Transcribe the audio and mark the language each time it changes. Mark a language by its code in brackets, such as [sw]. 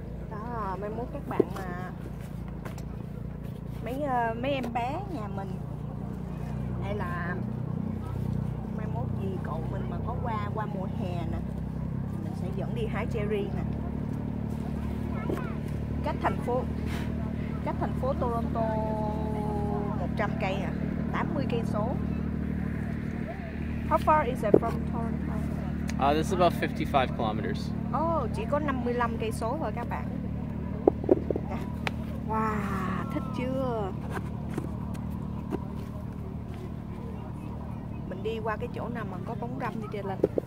[vi] Đó, mai mốt các bạn mà mấy em bé nhà mình hay là mai mốt gì cậu mình mà có qua mùa hè nè, mình sẽ dẫn đi hái cherry nè. cách thành phố Toronto 100 cây à, 80 cây số. [en] How far is it from Toronto? This is about 55 kilometers. [vi] Oh, chỉ có 55 cây số thôi các bạn. Wow, thích chưa? Mình đi qua cái chỗ nào mà có bóng râm đi trên lên.